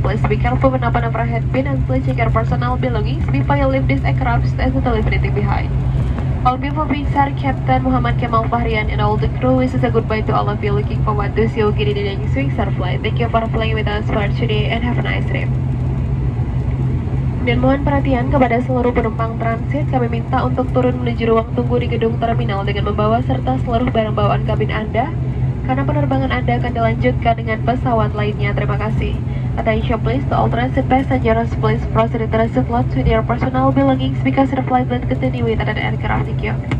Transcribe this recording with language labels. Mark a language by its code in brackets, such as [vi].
[en] Please be careful when opening the overhead bin and please check your personal belongings before you leave this aircraft and totally leave anything behind. On behalf of Wings Air, Captain Muhammad Kemal Fahrian and all the crew, this is a goodbye to all of you looking forward to see you again in the next Wings Air flight. Thank you for flying with us for today and have a nice trip. [id] Dan mohon perhatian kepada seluruh penumpang transit, kami minta untuk turun menuju ruang tunggu di gedung terminal dengan membawa serta seluruh barang bawaan kabin Anda, karena penerbangan Anda akan dilanjutkan dengan pesawat lainnya. Terima kasih. [en] Attention please to all transit passengers, please proceed to transit lot with your personal belongings because the flight will continue with another aircraft. Thank you.